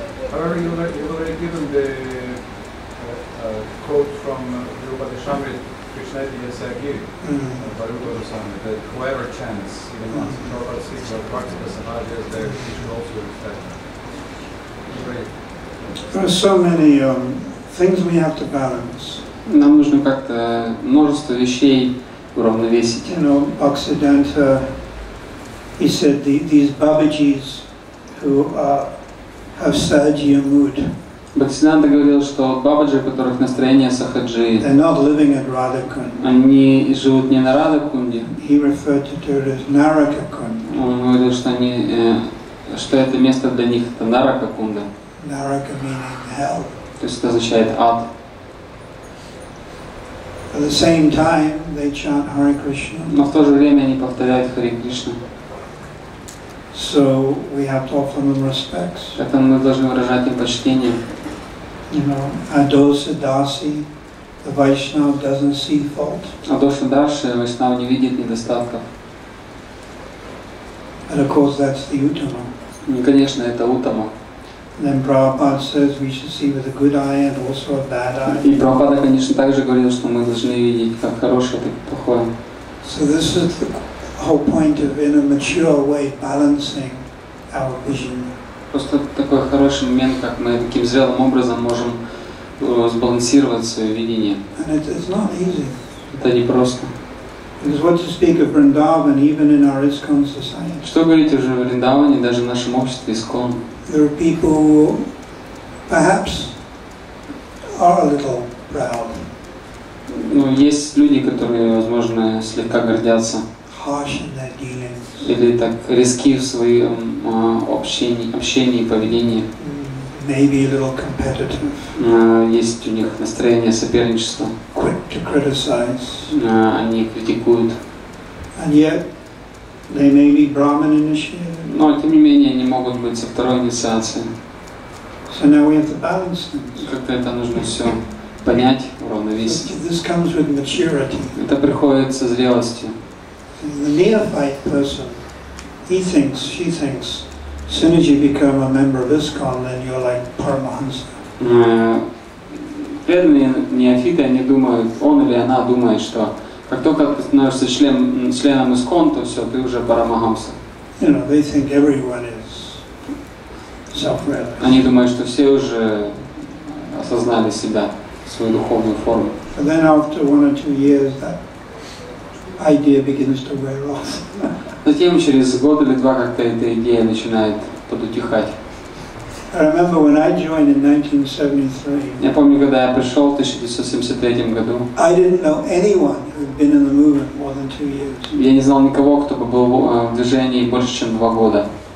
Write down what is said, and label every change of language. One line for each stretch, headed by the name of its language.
English: However, you've already given the quote from Rupadishamrit Krishnaiti Yasagir, Baruch Goswami, that whoever chants, even once the Prabhupada speaks about Praktika Samadhyas, there he should also respect them. There are so many things we have to balance.
Russian: Нам нужно как-то множество вещей уравновесить.
English: You know, Bhaksidanta, he said these Babajis who have sahajiya mood.
Russian: Бхактисиддханта говорил, что бабаджи, у которых настроение сахаджи,
English: they're not living at Радхакунде.
Russian: Они живут не на Радхакунде.
English: He referred to it as Наракакунда.
Russian: Он говорил, что они, что это место для них это Наракакунда.
English: Нарака meaning hell.
Russian: То есть это означает ад.
English: At the same time, they chant Hare Krishna.
Russian: Но в то же время они повторяют Харе Кришна.
English: So we have to offer them respects.
Russian: Поэтому мы должны выражать им почтение.
English: You know, Adosa Dasi, the Vaishnava doesn't see fault.
Russian: Adosa Dasi, Vaishnava не видит недостатков.
English: And of course, that's the Uttama.
Russian: И, конечно, это Uttama.
English: Then Prabhupada says we should see with a good eye and also a bad eye.
Russian: И Прабхупада, конечно, также говорил, что мы должны видеть как хорошее, так и плохое.
English: So this is the whole point of, in a mature way, balancing our vision.
Russian: Просто такой хороший момент, как мы таким зрелым образом можем сбалансировать свое видение.
English: And it's not easy.
Russian: Это не просто.
English: Because what to speak of Vrindavan, even in our ISKCON society.
Russian: Что говорить уже о Вриндаване, даже в нашем обществе ISKCON?
English: There are people who perhaps are a little proud.
Russian: Ну, есть люди, которые, возможно, слегка гордятся.
English: Harsh in their dealings.
Russian: Или так резки в своем общении и поведении.
English: Maybe a little competitive.
Russian: Есть у них настроение соперничества.
English: Quick to criticize.
Russian: Они критикуют.
English: And yet they may be Brahman initiated.
Russian: Но тем не менее они могут быть со второй инициацией.
English: So now we have to balance things.
Russian: Как-то это нужно все понять, уравновесить.
English: This comes with maturity.
Russian: Это приходит со зрелостью.
English: The neophyte person, he thinks, she thinks, as soon as you become a member of ISKCON, then you're like Paramahansa.
Russian: Преданные неофиты, они думают, он или она думает, что как только ты становишься членом ISKCON, то все, ты уже Парамахамса.
English: You know, they think everyone is self-realized.
Russian: Они думают, что все уже осознали себя, свою духовную форму.
English: And then after one or two years, that idea begins to wear off.
Russian: Затем через год или два как-то эта идея начинает подутихать.
English: I remember when I joined in 1973.
Russian: Я помню, когда я пришел в 1973 году.
English: I didn't know anyone who had been in the movement more than 2 years.
Russian: Я не знал никого, кто бы был в движении больше, чем 2 года.